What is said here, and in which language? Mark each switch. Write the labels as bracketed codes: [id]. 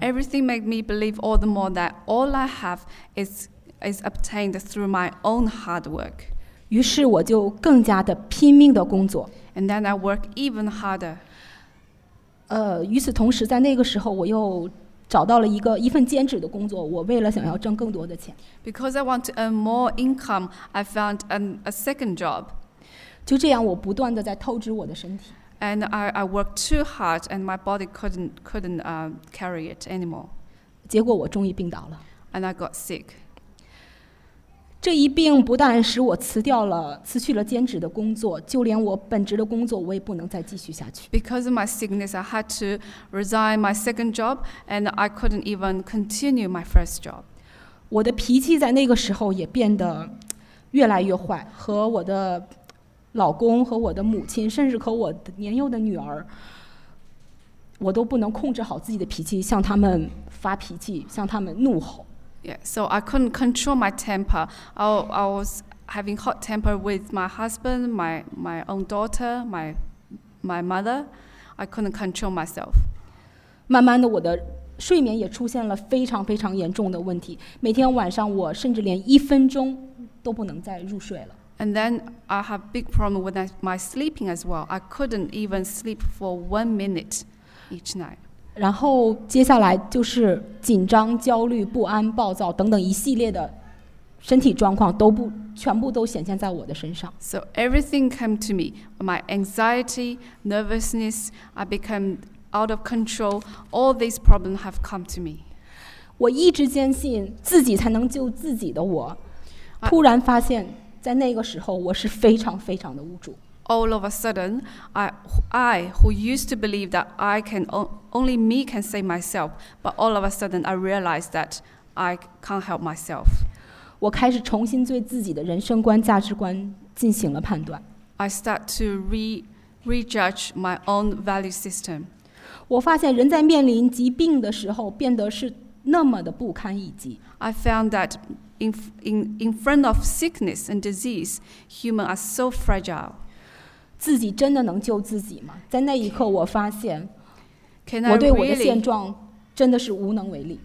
[en] Everything made me believe all the more that all I have is obtained through my own hard work. [zh] 于是我就更加的拼命的工作。 [en] And then I work even harder. [zh] 与此同时，在那个时候，我又找到了一份兼职的工作。我为了想要挣更多的钱。 [en] Because I want to earn more income, I found a second job. [zh] 就这样，我不断的在透支我的身体。 [en] And I worked too hard, and my body couldn't carry it anymore. [zh] 结果我终于病倒了。 [en] And I got sick. [zh] 这一病不但使我辞去了兼职的工作，就连我本职的工作我也不能再继续下去。 [en] Because of my sickness, I had to resign my second job, and I couldn't even continue my first job. [zh] 我的脾气在那个时候也变得越来越坏，和我的老公、和我的母亲，甚至和我的年幼的女儿，我都不能控制好自己的脾气，向他们发脾气，向他们怒吼。 [en] Yeah, so I couldn't control my temper. I was having hot temper with my husband, my own daughter, my mother. I couldn't control myself. [zh] 慢慢的，我的睡眠也出现了非常非常严重的问题。每天晚上，我甚至连一分钟都不能再入睡了。 [en] And then I have big problem with my sleeping as well. I couldn't even sleep for 1 minute each night. [zh] 然后接下来就是紧张、焦虑、不安、暴躁等等一系列的身体状况全部都显现在我的身上。 [en] So everything came to me. My anxiety, nervousness, I became out of control. All these problems have come to me. [zh] 我一直坚信自己才能救自己的我，突然发现在那个时候我是非常非常的无助。 [en] All of a sudden, I who used to believe that I can only me can save myself, but all of a sudden I realized that I can't help myself. [zh] 我开始重新对自己的人生观、价值观进行了判断。 [en] I start to rejudge my own value system. [zh] 我发现人在面临疾病的时候变得是那么的不堪一击。 [en] I found that in front of sickness and disease, humans are so fragile. [zh] 自己真的能救自己吗？在那一刻我发现 [en] really, [zh] 我对我的现状真的是无能为力。